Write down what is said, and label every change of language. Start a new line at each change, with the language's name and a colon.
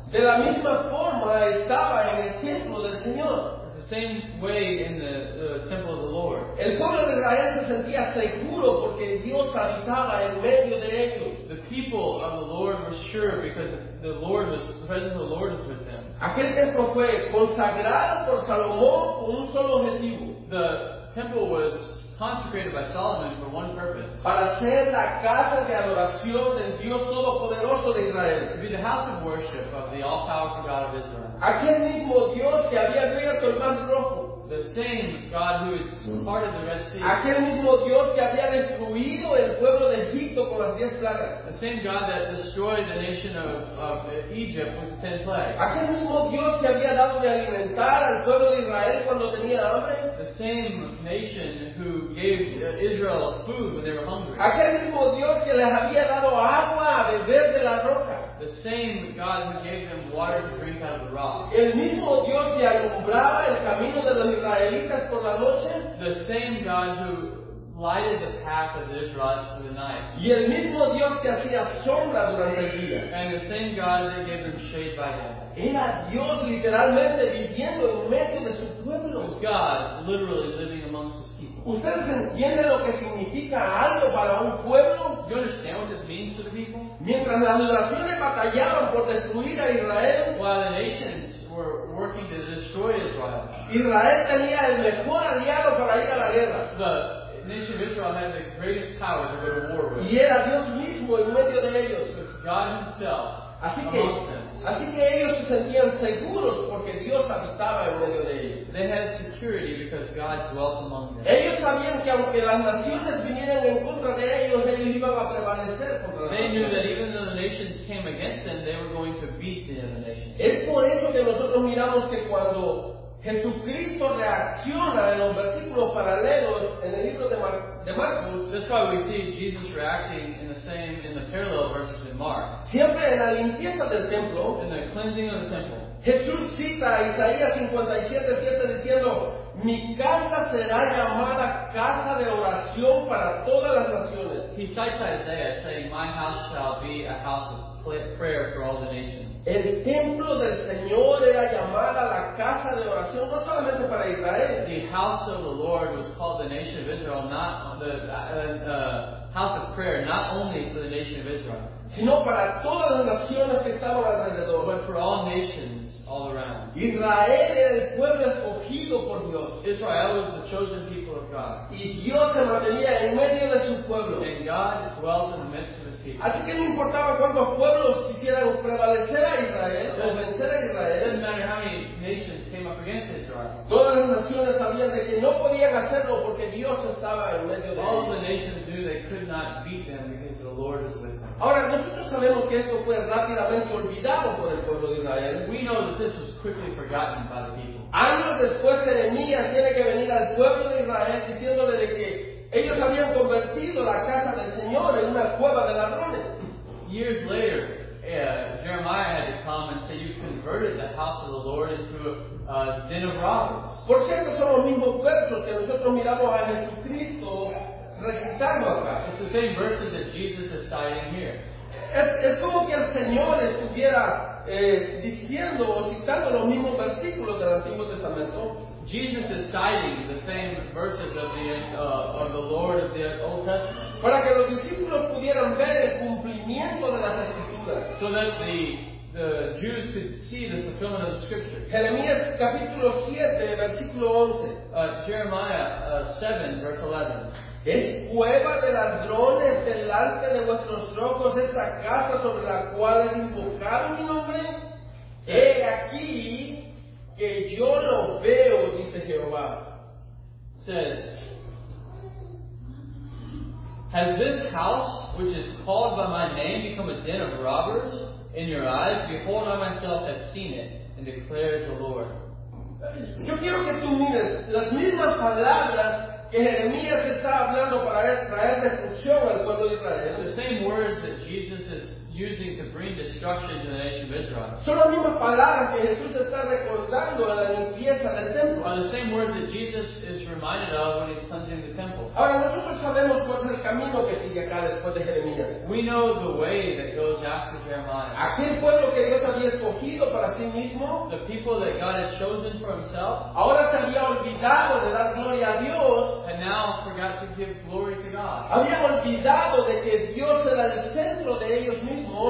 Spanish: De la misma forma estaba en el templo del Señor.
English: Same way in the temple of the Lord.
Spanish: El pueblo de Israel se sentía seguro porque Dios habitaba en medio de ellos.
English: The people of the Lord were sure because the Lord was present. The Lord is with them.
Spanish: Aquel templo fue consagrado por Salomón con un solo objetivo.
English: The temple was consecrated by Solomon for one purpose.
Spanish: Para ser la casa de adoración del Dios Todopoderoso de Israel.
English: To be the house of worship of the all-powerful God of Israel.
Spanish: Aquel mismo Dios que había abierto el Mar Rojo.
English: The same God who had parted the Red Sea.
Spanish: Aquel mismo Dios que había destruido el pueblo de Egipto con las 10 plagas.
English: The same God that destroyed the nation of Egypt with 10 plagues.
Spanish: Aquel mismo Dios que había dado de alimentar al pueblo de Israel cuando tenía hambre.
English: The same nation who gave Israel food when they were hungry.
Spanish: Aquel mismo Dios que les había dado agua a beber de la roca.
English: The same God who gave them water to drink out of the rock.
Spanish: El mismo Dios que alumbraba el camino de los israelitas por la noche.
English: The same God who lighted the path of the Israelites through the night.
Spanish: Y el mismo Dios que hacía sombra durante el día.
English: And the same God that gave them shade by day.
Spanish: Era Dios literalmente viviendo en medio de su pueblo.
English: It was God literally living amongst his people.
Spanish: ¿Ustedes entienden lo que significa algo para un pueblo?
English: You understand what this means to the people?
Spanish: Mientras las naciones batallaban por destruir a Israel,
English: while the nations were working to destroy Israel,
Spanish: Israel tenía el mejor aliado para ir a la guerra.
English: The nation of Israel had the greatest power to go to war with.
Spanish: Y era Dios mismo en medio de ellos.
English: It was God himself.
Spanish: Así que ellos se sentían seguros porque Dios habitaba en medio de ellos.
English: They had security because God dwelt among them.
Spanish: Ellos sabían que aunque las naciones vinieran en contra de ellos, ellos iban a prevalecer contra
English: them. They knew that even though the nations came against them, they were going to beat the other nations.
Spanish: Es por eso que nosotros miramos que cuando Jesucristo reacciona en los versículos paralelos en el libro de Marcos.
English: That's why we see Jesus reacting in the parallel verses in Mark.
Spanish: Siempre en la limpieza del templo.
English: In the cleansing of the temple.
Spanish: Jesús cita a Isaías 57:7 diciendo: mi casa será llamada casa de oración para todas las naciones.
English: He cites Isaiah saying, my house shall be a house of prayer for all the nations.
Spanish: El templo del Señor era llamada la casa de oración no solamente para Israel.
English: The house of the Lord was called the nation of Israel, not the house of prayer, not only for the nation of Israel,
Spanish: sino para todas las naciones que estaban alrededor.
English: But for all nations all around.
Spanish: Israel era el pueblo escogido por Dios.
English: Israel was the chosen people of God.
Spanish: Y Dios se mantenía en medio de su pueblo.
English: And God dwelt in the midst of.
Spanish: Así que no importaba cuántos pueblos quisieran prevalecer a Israel o vencer a Israel.
English: It doesn't matter how many nations came up against Israel.
Spanish: Todas las naciones sabían de que no podían hacerlo porque Dios estaba en medio de ellos.
English: All the nations knew they could not beat them because the Lord was with them.
Spanish: Ahora nosotros sabemos que esto fue rápidamente olvidado por el pueblo de Israel.
English: We know that this was quickly forgotten by the people.
Spanish: Años después, Jeremías tiene que venir al pueblo de Israel diciéndole de que ellos habían convertido la casa del Señor en una cueva de ladrones.
English: Years later, Jeremiah had to come and say, you've converted the house of the Lord into a den of robbers.
Spanish: Por cierto, son los mismos versos que nosotros miramos a Jesucristo recitando acá.
English: It's the same verses that Jesus is citing here.
Spanish: Es como que el Señor estuviera diciendo o citando los mismos versículos del Antiguo Testamento.
English: Jesus is citing the same verses of the Lord of the Old Testament.
Spanish: Para que los discípulos pudieran ver el cumplimiento de las Escrituras.
English: So that the Jews could see the fulfillment of the Scriptures.
Spanish: Jeremías capítulo 7, versículo 11.
English: Jeremiah 7, verse 11.
Spanish: Es cueva de ladrones delante de vuestros ojos esta casa sobre la cual es invocado mi nombre. He aquí que yo lo veo, dice Jehová.
English: Says, has this house, which is called by my name, become a den of robbers in your eyes? Behold, I myself have seen it, and declares the Lord.
Spanish: Yo quiero que tú mires las mismas palabras que Jeremías está hablando para traer destrucción al pueblo de Israel.
English: The same words that Jesus is using to bring destruction to the nation of Israel.
Spanish: Son las mismas palabras que Jesús está recordando a la limpieza del templo.
English: Are the same words that Jesus is reminded of when he's cleansing the temple.
Spanish: Ahora nosotros sabemos cuál es el camino que sigue acá después de Jeremías.
English: We know the way that goes after Jeremiah.
Spanish: Aquel pueblo que Dios había escogido para sí mismo.
English: The people that God had chosen for himself.
Spanish: Ahora se había olvidado de dar gloria a Dios.
English: And now forgot to give glory to God.
Spanish: Había olvidado de que Dios era el centro de ellos mismos.